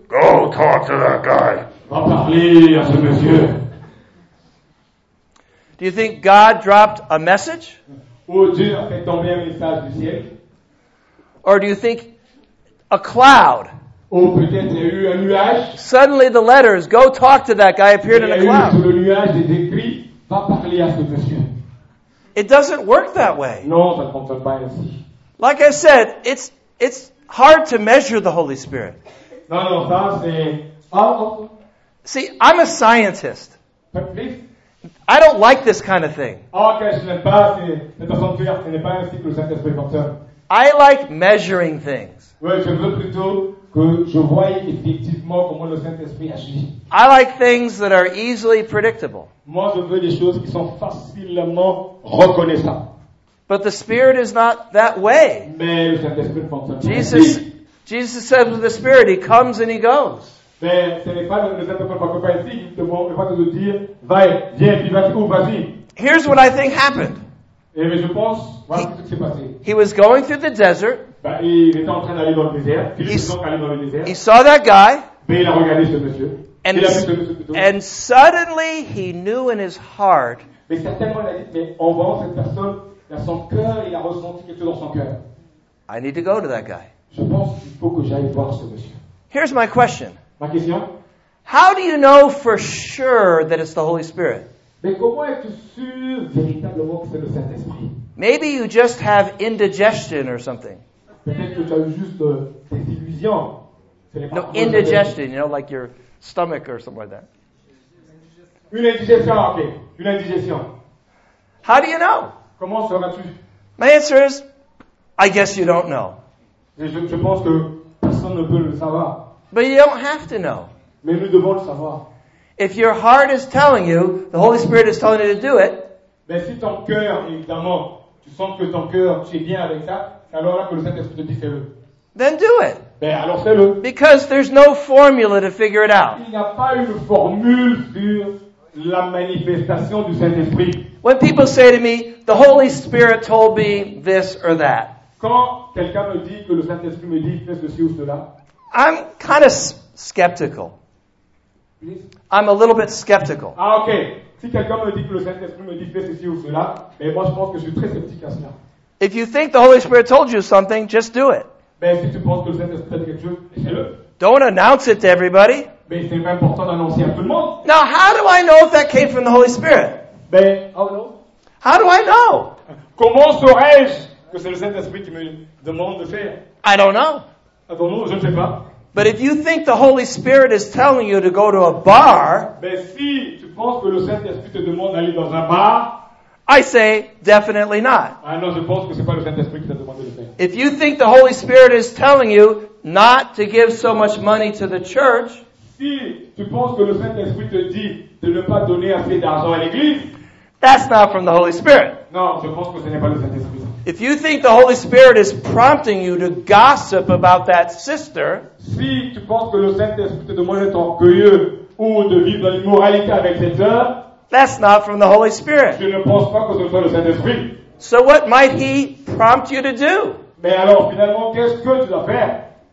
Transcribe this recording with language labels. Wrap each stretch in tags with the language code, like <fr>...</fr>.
<en>Go talk to that guy.</en> <fr>Va parler à ce monsieur.</fr> <en>Do you think God dropped a message?</en> <fr>Ou Dieu a fait tomber un message du ciel?</fr> <en>Or do you think a cloud?</en> <fr>Ou peut-être il y a eu un nuage.</fr> <en>Suddenly the letters, go talk to that guy, appeared in a cloud.</en> <fr>Sur le nuage des écrits, va parler à ce monsieur.</fr> <en>It doesn't work that way.</en> <fr>Non, ça ne fonctionne pas ainsi.</fr> <en>Like I said, it's hard to measure the Holy Spirit.</en> <fr>Non, ça c'est...</fr> <en>See, I'm a scientist. Please? I don't like this kind of thing.</en> <fr>Ok, je n'aime pas, c'est pas ainsi que le Saint-Esprit fonctionne.</fr> <en>I like measuring things.</en> <fr>Oui, je veux plutôt... que je voyais effectivement comment le Saint-Esprit agit.</fr> <en>I like things that are easily predictable.</en> <fr>Moi, je veux des choses qui sont facilement reconnaissables.</fr> <en>But the Spirit is not that way.</en> <fr>Mais le Saint-Esprit fonctionne.</fr> <en>Jesus says with the Spirit, He comes and He goes.</en> <fr>Mais ce n'est pas le Saint-Esprit qui fait ici. Il ne va pas te dire, va, viens, vas-y ou vas-y.</fr> <en>Here's what I think happened.</en> <fr>Et je pense, voilà ce qui s'est passé.</fr> <en>He was going through the desert.</en> <fr>Bah, il était en train d'aller dans le désert.</fr> <en>He saw that guy.</en> <fr>Mais il a regardé ce monsieur.</fr> <en>And,</en> <fr>ce monsieur plutôt.</fr> <en>And suddenly he knew in his heart.</en> <fr>Mais certainement, en voyant cette personne, dans son cœur, il a ressenti quelque chose dans son cœur.</fr> <en>I need to go to that guy.</en> <fr>Je pense qu'il faut que j'aille voir ce monsieur.</fr> <en>Here's my question.</en> <fr>Ma question.</fr> <en>How do you know for sure that it's the Holy Spirit?</en> <fr>Mais comment es-tu sûr véritablement que c'est le Saint-Esprit?</fr> <en>Maybe you just have indigestion or something.</en> <fr>Peut-être que tu as juste des illusions.</fr> <en>No, indigestion, you know, like your stomach or something like that.</en> <fr>Une indigestion, ok. Une indigestion.</fr> <en>How do you know?</en> <fr>Comment seras-tu?</fr> <en>My answer is, I guess you don't know.</en> <fr>Je pense que personne ne peut le savoir.</fr> <en>But you don't have to know.</en> <fr>Mais nous devons le savoir.</fr> <en>If your heart is telling you, the Holy Spirit is telling you to do it.</en> <fr>Mais si ton cœur, évidemment, tu sens que ton cœur, tu es bien avec ça, c'est alors là que le Saint-Esprit te dit fais-le.</fr> <en>Then do it.</en> <fr>Ben alors fais-le.</fr> <en>Because there's no formula to figure it out.</en> <fr>Il n'y a pas une formule sur la manifestation du Saint-Esprit.</fr> <en>When people say to me, the Holy Spirit told me this or that.</en> <fr>Quand quelqu'un me dit que le Saint-Esprit me dit fais ceci ou cela.</fr> <en>I'm kind of skeptical. I'm a little bit skeptical. Ah, okay.</en> <fr>Si quelqu'un me dit que le Saint-Esprit me dit fais ceci ou cela, ben moi je pense que je suis très sceptique à cela.</fr> <en>If you think the Holy Spirit told you something, just do it.</en> <fr>Ben si tu penses que le Saint-Esprit a dit quelque chose, fais-le.</fr> <en>Don't announce it to everybody.</en> <fr>Ben c'est pas important d'annoncer à tout le monde.</fr> <en>Now how do I know if that came from the Holy Spirit? Ben how do I know? How do I know?</en> <fr>Comment saurais-je que c'est le Saint-Esprit qui me demande de faire?</fr> <en>I don't know.</en> <fr>Attends, je ne sais pas.</fr> <en>But if you think the Holy Spirit is telling you to go to a bar,</en> <fr>mais si tu penses que le Saint-Esprit te demande d'aller dans un bar,</fr> <en>I say definitely not.</en> <fr>Ah non, je pense que c'est pas le Saint-Esprit qui t'a demandé de faire.</fr> <en>If you think the Holy Spirit is telling you not to give so much money to the church,</en> <fr>si tu penses que le Saint-Esprit te dit de ne pas donner assez d'argent à l'église,</fr> <en>that's not from the Holy Spirit.</en> <fr>Non, je pense que ce n'est pas le Saint-Esprit.</fr> <en>If you think the Holy Spirit is prompting you to gossip about that sister,</en> <fr>si tu penses que le Saint-Esprit te demande d'être orgueilleux ou de vivre dans l'immoralité avec cette sœur,</fr> <en>that's not from the Holy Spirit.</en> <fr>Je ne pense pas que ce soit le Saint-Esprit.</fr> <en>So what might he prompt you to do?</en> <fr>Mais alors finalement, qu'est-ce que tu dois faire?</fr>